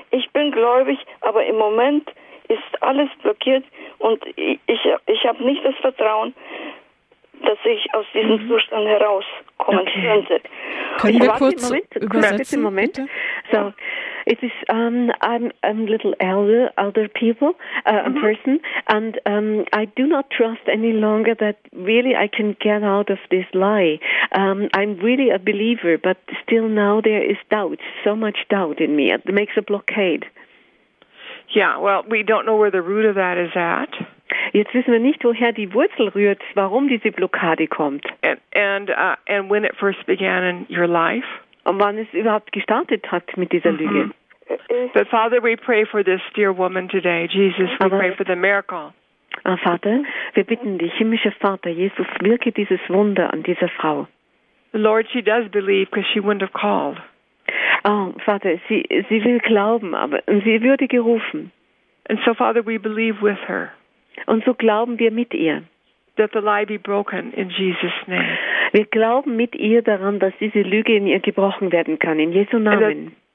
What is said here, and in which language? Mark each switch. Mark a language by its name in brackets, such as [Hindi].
[German] Ich bin gläubig, aber im Moment ist alles blockiert und ich habe nicht das Vertrauen, dass ich aus diesem Zustand herauskommen könnte. Können wir kurz übersetzen? Bitte einen Moment. [English] So, it is I'm little elder people, mm-hmm. person, and I do not trust any longer that really I can get out of this lie. I'm really a believer, but still now there is doubt, so much doubt in me. It makes a blockade. Yeah, well, we don't know where the root of that is at. [German] Jetzt wissen wir nicht, woher die Wurzel rührt, warum diese Blockade kommt. [English] And when it first began in your life. [German] Und wann es überhaupt gestartet hat mit dieser Lüge. [English] But Father, we pray for this dear woman today. Jesus, we pray for the miracle. [German] Vater, wir bitten dich, himmlischer Vater, Jesus, wirke dieses Wunder an dieser Frau. [English] Lord, she does believe because she wouldn't have called. [German] Oh, Vater, sie will glauben, aber sie würde gerufen. [English] And so, Father, we believe with her. [German] Und so glauben wir mit ihr. [English] That the lie be broken in Jesus' name. [German] Wir glauben mit ihr daran, dass diese Lüge in ihr gebrochen werden kann, in Jesu Namen.